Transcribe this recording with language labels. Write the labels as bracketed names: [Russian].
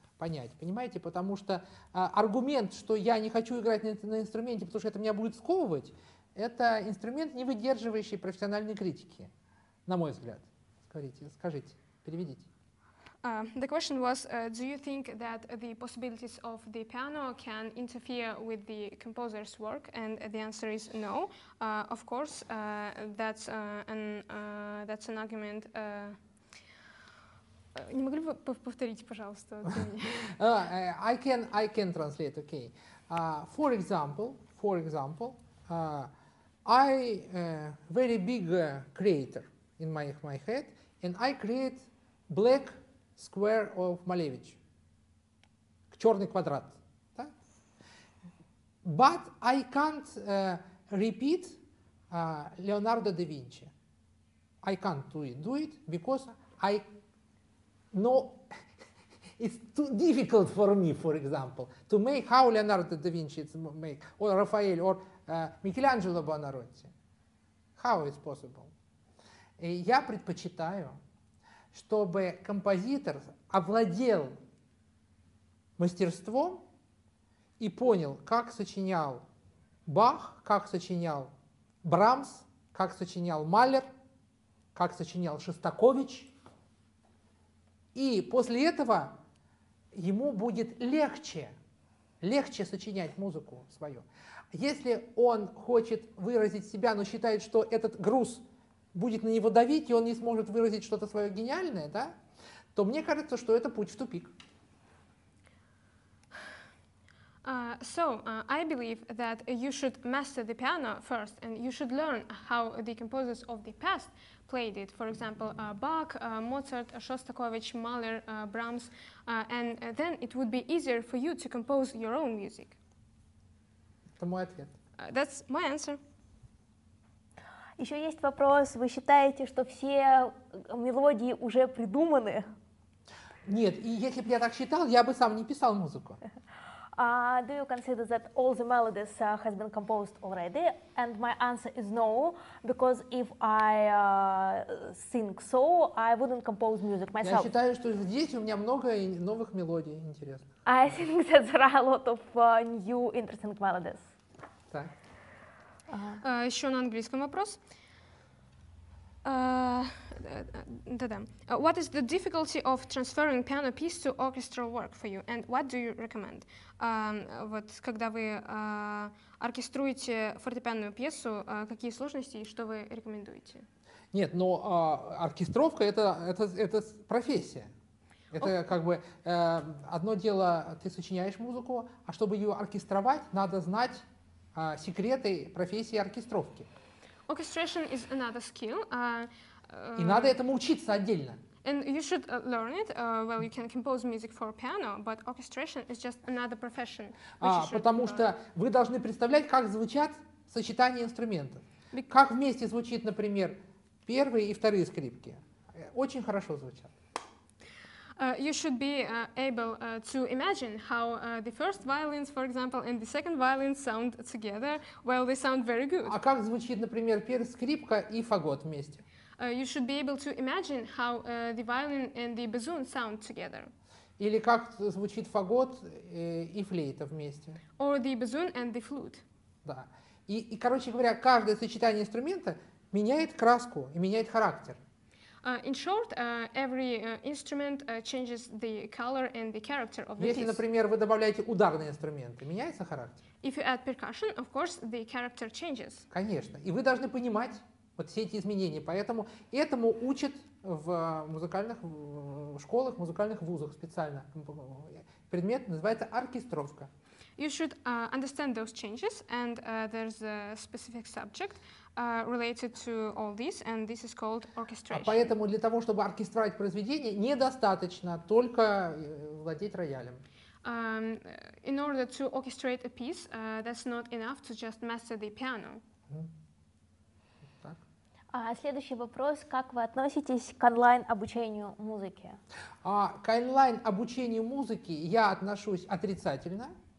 [Russian] Понять, понимаете, потому что аргумент, что я не хочу играть на инструменте, потому что это меня будет сковывать, это инструмент, не выдерживающий профессиональной критики, на мой взгляд. Скажите, переведите. [English] The question was, do you think that the possibilities of the piano can interfere with the composer's work? And the answer is no. Of course, that's an argument. [Russian] Не могли бы повторить, пожалуйста? [English] I can translate, okay. For example, I very big creator in my head, and I create black square of Malevich, [Russian] черный квадрат. Да? [English] But I can't repeat Leonardo da Vinci. I can't do it because I No, it's too difficult for me, for example, to make how Leonardo da Vinci make, or Raphael, or Michelangelo Buonarroti. How is possible? [Russian] И я предпочитаю, чтобы композитор овладел мастерством и понял, как сочинял Бах, как сочинял Брамс, как сочинял Малер, как сочинял Шостакович. И после этого ему будет легче сочинять музыку свою. Если он хочет выразить себя, но считает, что этот груз будет на него давить, и он не сможет выразить что-то свое гениальное, да, то мне кажется, что это путь в тупик. [English] I believe that you should master the piano first, and you should learn how the composers of the past played it. For example, Bach, Mozart, Shostakovich, Mahler, Brahms, and then it would be easier for you to compose your own music. [Russian] Это мой ответ. [English] That's my answer. [Russian] Еще есть вопрос. Вы считаете, что все мелодии уже придуманы? Нет, и если бы я так считал, я бы сам не писал музыку. [English] Do you consider that all the melodies has been composed already? And my answer is no, because if I think so, I wouldn't compose music myself. [Russian] Я считаю, что здесь у меня много новых мелодий интересных. [English] I think that there are a lot of new interesting melodies. [Russian] Так. Еще на английском вопрос. [English] What is the difficulty of transferring piano piece to orchestral work for you, and what do you recommend? [Russian] Вот когда вы оркеструете фортепианную пьесу, какие сложности и что вы рекомендуете? Нет, но оркестровка это профессия. Это как бы одно дело, ты сочиняешь музыку, а чтобы ее оркестровать, надо знать секреты профессии оркестровки. [English] Orchestration is another skill. [Russian] И надо этому учиться отдельно. [English] And you should learn it. Well, you can compose music for piano, but orchestration is just another profession. [Russian] Потому что вы должны представлять, как звучат сочетания инструментов. Как вместе звучит, например, первые и вторые скрипки. Очень хорошо звучат. [English] You should be able to imagine how the first violins, for example, and the second violins sound together. Well, they sound very good. [Russian] А как звучит, например, первая скрипка и фагот вместе? [English] You should be able to imagine how the violin and the bassoon sound together. [Russian] Или как звучит фагот и флейта вместе? [English] Or the bassoon and the flute. [Russian] Да. И короче говоря, каждое сочетание инструмента меняет краску и меняет характер. [English] In short, every instrument changes the color and the character of the [Russian] piece. Если, например, вы добавляете ударные инструменты, меняется характер? [English] If you add percussion, of course, the character changes. [Russian] Конечно. И вы должны понимать вот все эти изменения. Поэтому этому учат в музыкальных школах, музыкальных вузах специально. Предмет называется оркестровка. [English] You should understand those changes, and there's a specific subject related to all this, and this is called orchestration. [Russian] А поэтому для того, чтобы оркестрировать произведение, недостаточно только владеть роялем. [English] In order to orchestrate a piece, that's not enough to just master the piano. [Russian] Следующий вопрос. Как вы относитесь к онлайн-обучению музыке? К онлайн-обучению музыки я отношусь отрицательно.